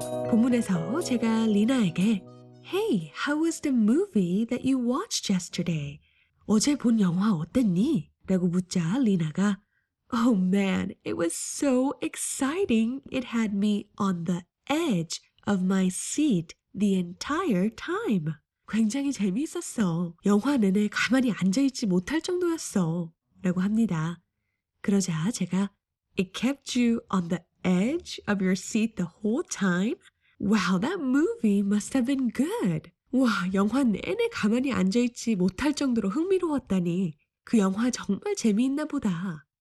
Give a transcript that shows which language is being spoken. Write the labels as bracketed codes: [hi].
[ko] 본문에서 제가 리나에게 [en] Hey, how was the movie that you watched yesterday? [ko] 어제 본 영화 어땠니? 라고 묻자 리나가 [en] Oh man, it was so exciting. It had me on the edge of my seat the entire time. [ko] 굉장히 재미있었어. 영화 내내 가만히 앉아있지 못할 정도였어. 라고 합니다. 그러자 제가 [en] It kept you on the edge of your seat the whole time? Wow, that movie must have been good. [ko] 와, 영화 내내 가만히 앉아있지 못할 정도로 흥미로웠다니. 그 영화 정말 재미있나 보다.